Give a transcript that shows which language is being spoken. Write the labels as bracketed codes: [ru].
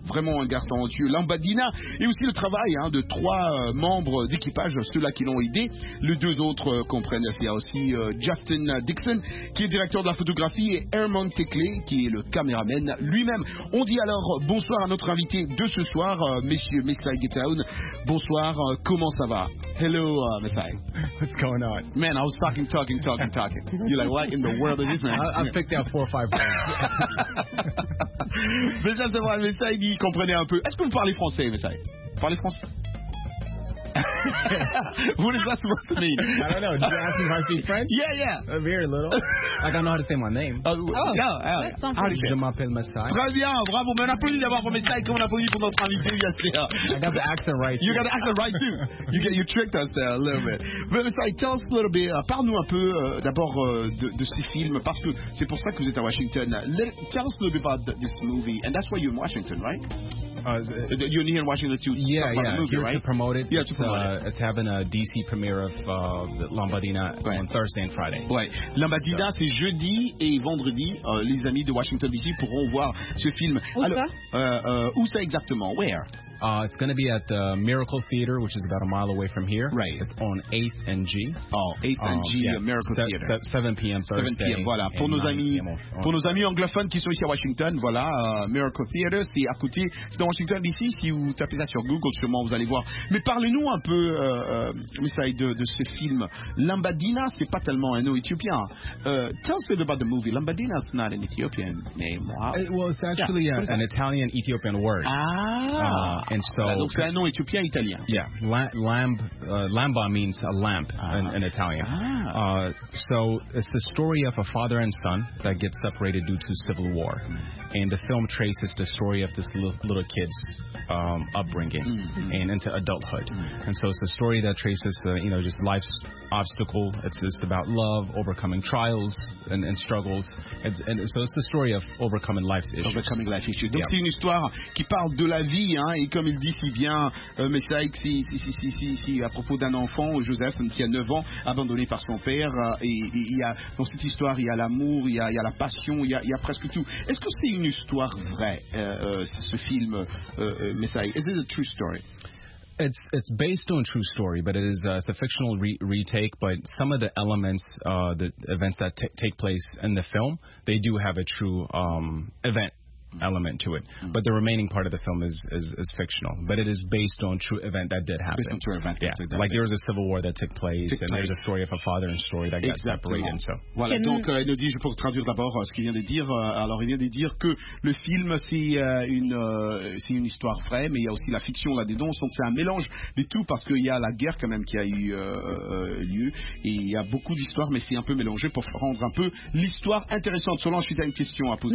[fr] Vraiment un gars talentueux. Lambadina et aussi le travail, hein, de 3 membres d'équipage, ceux-là qui l'ont aidé. Les 2 autres comprennent. Il y a aussi Justin Dixon, qui est directeur de la photographie, et Herman Tekley, qui est le caméraman lui-même. On dit alors bonsoir à notre invité de ce soir, monsieur Mesaï Getaoun. Bonsoir, comment ça va? [en] Hello, Mesaï. What's going on? Man, I was talking. You're like, what in the world is this, man? I picked out 4 or 5 words. [fr] Mais ça, c'est vrai, mais ça, il comprenait un peu. Est-ce que vous parlez français, mais ça? Vous parlez français? [en] What is that supposed to mean? I don't know. Did you ask me if I speak French? Yeah. Very little. Like, I know how to say my name. Yeah. [fr] Je m'appelle Mesaï. Très bien, bravo. Mais on a pu l'avoir pour Mesaï, comme on a pu l'avoir pour notre invité, bien sûr. [en] I got the accent right, too. You got the accent right, too. You tricked us there a little bit. But Mesaï, tell us a little bit, [fr] parle-nous un peu d'abord de ce film, parce que c'est pour ça que vous êtes à Washington. [en] Tell us a little bit about this movie, and that's why you're in Washington, right? You're near Washington to talk about the movie, right? To promote it. Yeah, to promote it. It's having a DC premiere of Lambadina on Thursday and Friday. [fr] Ouais. Lambadina, c'est jeudi et vendredi. Les amis de Washington DC pourront voir ce film. Où ça? Où ça exactement? [en] Where? It's going to be at the Miracle Theater, which is about a mile away from here. Right. It's on 8th and G. Oh, 8th and G, yeah. Miracle Theater. 7 p.m. Thursday. [fr] 7 p.m., voilà. Pour nos amis, anglophones qui sont ici à Washington, voilà, Miracle Theater, c'est à côté, c'est dans Washington DC. Si vous tapez ça sur Google, sûrement vous allez voir. Mais parlez-nous un peu, Mesaï, de ce film. Lambadina, c'est pas tellement un nom éthiopien. [en] Tell us a bit about the movie. Lambadina, it's not an Ethiopian name. It's actually an Italian-Ethiopian word. And so, [fr] donc c'est un nom éthiopien italien. [en] Yeah, lamba means a lamp in Italian. Ah. So it's the story of a father and son that gets separated due to civil war. And the film traces the story of this little kid's upbringing and into adulthood. And so it's a story that traces just life's obstacle. It's just about love, overcoming trials and struggles. So it's the story of overcoming life's issues. Overcoming life issues. [fr] Donc c'est une histoire qui parle de la vie, hein, et comme il dit si bien, Mesaï, si à propos d'un enfant, Joseph, qui a 9 ans, abandonné par son père, et il y a, dans cette histoire, il y a l'amour, il y a la passion, il y a presque tout. Est-ce que c'est une histoire vraie, ce film, Mesaï? [en] Is it a true story? It's based on a true story, but it is it's a fictional retake. But some of the elements, the events that take place in the film, they do have a true event element to it. But the remaining part of the film is fictional. But it is based on true event that did happen. Based on true event, yeah. Like there was a civil war that took place, and there's a story of a father and story that got separated. So. [fr] Voilà. Donc, il nous dit, je peux traduire d'abord ce qu'il vient de dire. Alors, il vient de dire que le film c'est une histoire vraie, mais il y a aussi la fiction là-dedans. Donc, c'est un mélange de tout parce qu'il y a la guerre quand même qui a eu lieu, et il y a beaucoup d'histoires, mais c'est un peu mélangé pour rendre un peu l'histoire intéressante. Solange, tu as une question à poser?